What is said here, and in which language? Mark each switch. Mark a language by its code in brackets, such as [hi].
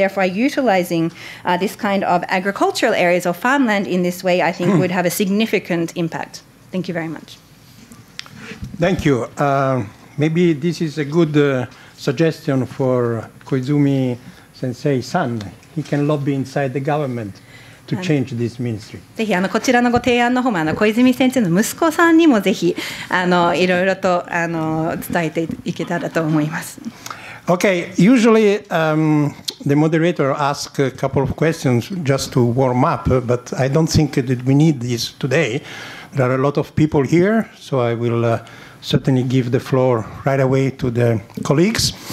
[en] Therefore, utilizing this kind of agricultural areas or farmland in this way, I think, would have a significant impact. Thank you very much. Thank you. Maybe this is a good suggestion for Koizumi Sensei-san. He can lobby inside the government to change this ministry. [ja] ぜひこちらのご提案の方も小泉先生の息子さんにもぜひいろいろと伝えていけたらと思います。 [en] Okay, usually the moderator asks a couple of questions just to warm up, but I don't think that we need this today. There are a lot of people here, so I will certainly give the floor right away to the colleagues.